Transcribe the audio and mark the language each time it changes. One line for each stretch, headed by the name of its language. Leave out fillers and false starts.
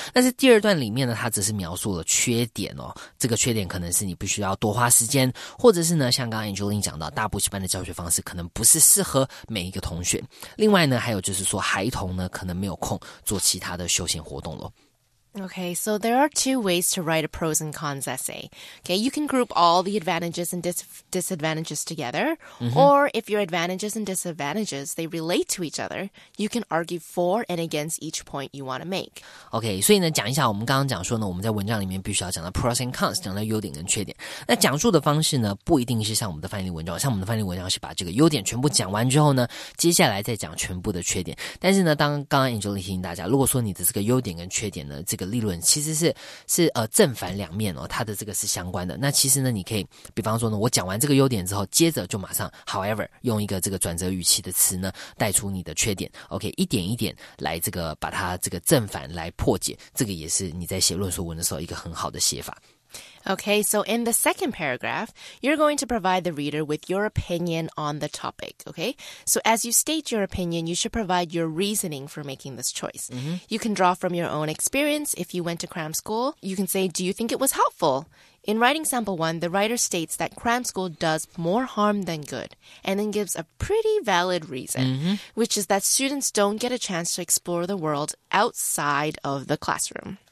Chinese: 但是第二段里面呢，他只是描述了缺点哦，这个缺点可能是你必须要多花时间，或者是呢，像刚刚 Angeline 讲到，大补习班的教学方式可能不是适合每一个同学。另外呢，还有就是说，孩童呢可能没有空做其他的休闲活动了。
English: Okay, so there are two ways to write a pros and cons essay. Okay, you can group all the advantages and disadvantages together, or if your advantages and disadvantages, they relate to each other, you can argue for and against each point you want to make.
Chinese: Okay, 所以呢，讲一下我们刚刚讲说呢，我们在文章里面必须要讲到
English: pros and cons,
Chinese: 讲到优点跟缺点。那讲述的方式呢，不一定是像我们的范例文章，像我们的范例文章是把这个优点全部讲完之后呢，接下来再讲全部的缺点。但是呢，当刚刚 Angeline 提醒大家，如果说你的这个优点跟缺点呢，这个立论其实是正反两面哦，它的这个是相关的。那其实呢，你可以比方说呢，我讲完这个优点之后，接着就马上 however 用一个这个转折语气的词呢，带出你的缺点。 OK， 一点一点来这个把它这个正反来破解，这个也是你在写论述文的时候一个很好的写法。
English: Okay, so in the second paragraph, you're going to provide the reader with your opinion on the topic, okay? So as you state your opinion, you should provide your reasoning for making this choice. Mm-hmm. You can draw from your own experience. If you went to cram school, you can say, do you think it was helpful? In writing sample one, the writer states that cram school does more harm than good, and then gives a pretty valid reason, which is that students don't get a chance to explore the world outside of the classroom.